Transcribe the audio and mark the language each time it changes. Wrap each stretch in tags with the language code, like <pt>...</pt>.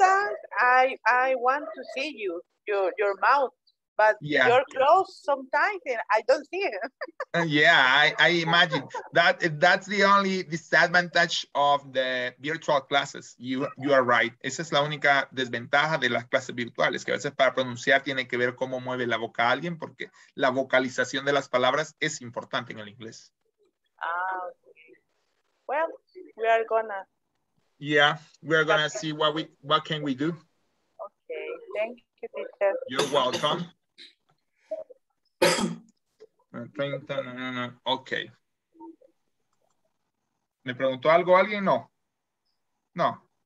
<en>Sometimes I want to see you, your mouth, but yeah, you're close sometimes and I don't see it. Yeah, I imagine that's the only disadvantage of the virtual classes. You are right.</en> <es>Esa es la única desventaja de las clases virtuales, que a veces para pronunciar tiene que ver cómo mueve la boca a alguien, porque la vocalización de las palabras es importante en el inglés.</es> <en>Well, we are gonna. Yeah, we are gonna see what can we do. Okay, thank you, teacher. You're welcome. 30, no, no, no. Okay.</en> <es>¿Me preguntó algo alguien? No. No.</es>